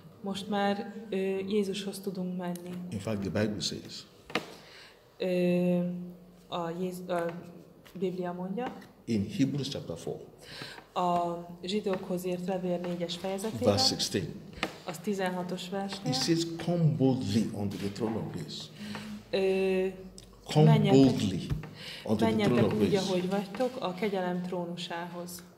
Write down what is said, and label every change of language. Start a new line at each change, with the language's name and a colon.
Hungarian: Most már Jézushoz tudunk menni.
English: In fact, the Bible says.
Hungarian: A Biblia mondja.
English: In Hebrews chapter 4.
Hungarian: A zsidókhoz írt levél 4-es fejezetében.
English: Verse 16.
Hungarian: Az 16-os versnél.
English: It says, come boldly onto the throne of grace. Come boldly onto the throne of grace.
Hungarian: Menjetek úgy, ahogy vagytok, a kegyelem trónusához.